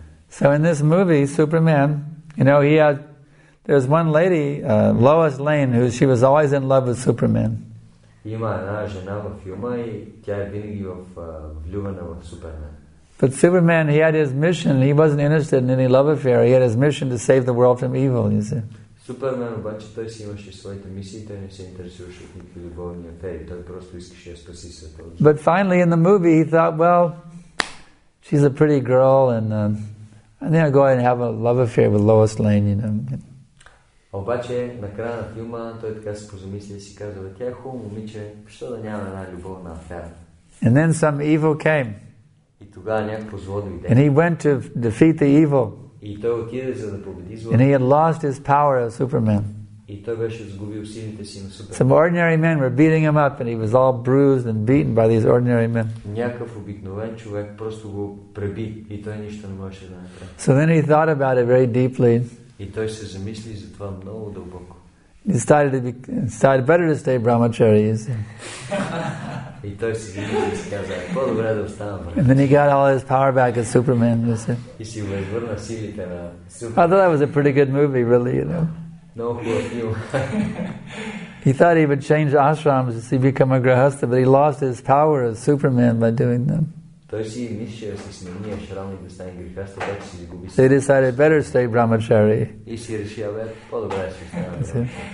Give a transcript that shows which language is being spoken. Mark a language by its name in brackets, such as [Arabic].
[English] So in this movie, Superman, you know, there's one lady, Lois Lane, who she was always in love with Superman. But Superman, he had his mission. He wasn't interested in any love affair. He had his mission to save the world from evil, you see. [Bulgarian] Superman, обаче, той си имаше своите мисии, той не се интересуваше от никакви любовни афери, той просто искаше да спаси света. [English] But finally, in the movie, he thought, well, she's a pretty girl, and I think I'll go ahead and have a love affair with Lois Lane, you know. [Bulgarian] Обаче на края на филма той така се позамисли и си казва: тя е хубаво момиче, защо да няма една любовна афера? [English] And then some evil came. [Bulgarian] И тогава някакво зло дойде. [English] And he went to defeat the evil. [Bulgarian] И той отиде за да победи злото. [English] And he had lost his power as Superman. [Bulgarian] И той беше изгубил силите си на Супермен. [English] Some ordinary men were beating him up and he was all bruised and beaten by these ordinary men. [Bulgarian] Някакъв обикновен човек просто го преби и той нищо не можеше да направи. [English] So then he thought about it very deeply. [Bulgarian] И той се замисли за това много дълбоко. [English] He decided better to stay brahmachari. [Bulgarian] И той си замисли и си каза, по-добре да остана брахмачари. [English] And then he got all his power back as Superman. [Bulgarian] И си възвърна силите на Супермен. [English] I thought that was a pretty good movie, really, you know. No, he thought he would change ashrams to become a grahastha, but he lost his power as Superman by doing them. They decided better stay brahmachari.